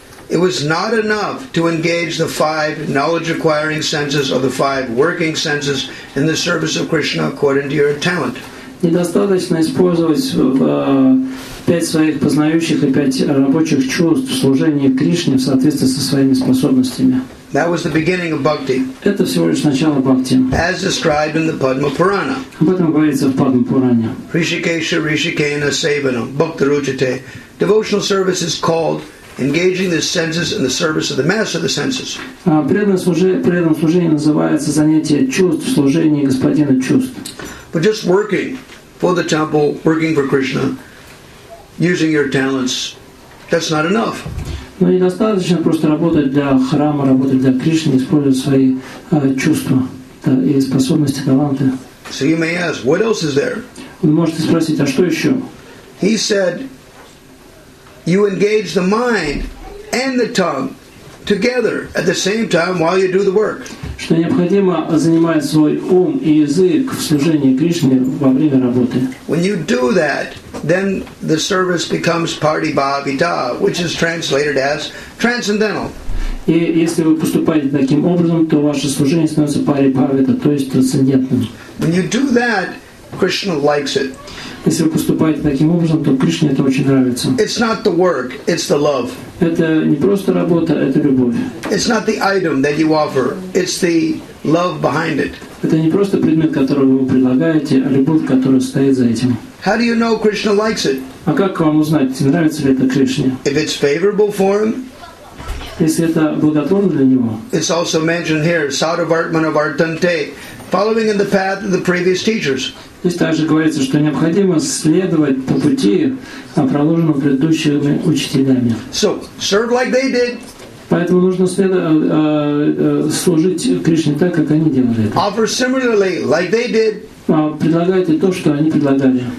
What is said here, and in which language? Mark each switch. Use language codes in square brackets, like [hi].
[en] It was not enough to engage the five knowledge-acquiring senses or the five working senses in the service of Krishna according to your talent. [ru] Недостаточно использовать пять своих познающих и пять рабочих чувств в служении Кришне в соответствии со своими способностями. [en] That was the beginning of bhakti. [ru] Это всего лишь начало бхакти. [en] As described in the Padma Purana. [ru] Об этом говорится в Падма Пуране. [sa] Ришикеша Ришикена Севанам Бхакти Ручите. [en] Devotional service is called engaging the senses in the service of the master of the senses. [ru] Преданное служение называется занятие чувств в служении господина чувств. [en] But just working for the temple, working for Krishna, using your talents, that's not enough. [ru] Но недостаточно просто работать для храма, работать для Кришны, использовать свои чувства и способности, таланты. [en] So you may ask, what else is there? [ru] Вы можете спросить, а что еще? [en] He said, you engage the mind and the tongue together at the same time while you do the work. [ru] Что необходимо занимать свой ум и язык в служении Кришне во время работы. [en] When you do that, then the service becomes Paribhavita, which is translated as transcendental. [ru] И если вы поступаете таким образом, то ваше служение становится Paribhavita, то есть трансцендентным. [en] When you do that, Krishna likes it. [ru] Если вы поступаете таким образом, то Кришне это очень нравится. [en] It's not the work, it's the love. [ru] Это не просто работа, это любовь. [en] It's not the item that you offer, it's the love behind it. [ru] Это не просто предмет, который вы предлагаете, а любовь, которая стоит за этим. [en] How do you know Krishna likes it? [ru] А как вам узнать, нравится ли это Кришне? [en] If it's favorable for him, [ru] если это благотворно для него. [en] It's also mentioned here, [sa] Sadavartmana Vartante, [en] following in the path of the previous teachers. [ru] Здесь также говорится, что необходимо следовать по пути, проложенному предыдущими учителями. [en] So, serve like they did. [ru] Поэтому нужно служить Кришне так, как они делали это. [en] Offer similarly, like they did. [ru] Предлагайте то, что они предлагали.